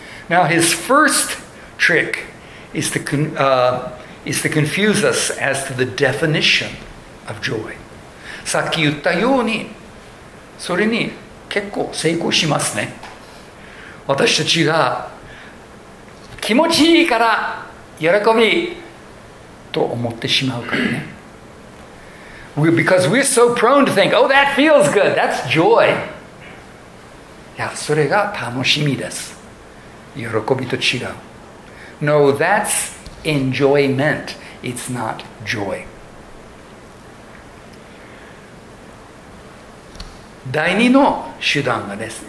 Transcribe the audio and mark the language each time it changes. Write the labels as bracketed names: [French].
[English] Now his first trick is to confuse us as to the definition of joy. [Japanese] さっき言ったようにそれに結構成功しますね。私たちが気持ちいいから喜びと思ってしまうからね。 [English] Because we're so prone to think, oh, that feels good. That's joy. [Japanese] いや、それが楽しみです。喜びと違う。 [English] No, that's enjoyment. It's not joy. [Japanese] 第二の手段がです。